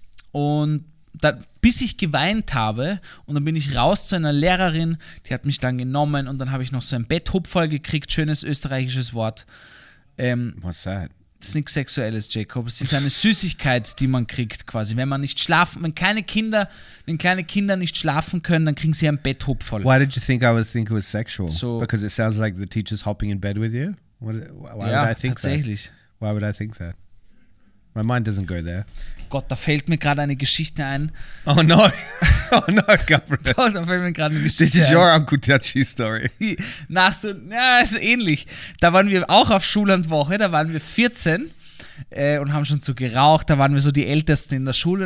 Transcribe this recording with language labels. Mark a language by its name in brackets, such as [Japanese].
[German] Und da, bis ich geweint habe und dann bin ich raus zu einer Lehrerin, die hat mich dann genommen und dann habe ich noch so ein Betthupferl gekriegt, schönes österreichisches Wort. [English] What's that? [German] Das ist nichts Sexuelles, Jacob. Es ist eine Süßigkeit, die man kriegt quasi. Wenn kleine Kinder nicht schlafen können, dann kriegen sie ein Betthupferl. [English] Why did you think I would think it was sexual? So, because it sounds like the teacher's hopping in bed with you? Why would I think that? My mind doesn't go there. [German] Gott, da fällt mir gerade eine Geschichte ein. [English] Oh no. Oh no, Gabriel. [German] Doch, da fällt mir gerade eine Geschichte ein. [English] This is your Uncle Tachi story. [German] Na, so, ja, ist ähnlich. Da waren wir auch auf Schullandwoche, da waren wir 14 und haben schon so geraucht. Da waren wir so die Ältesten in der Schule.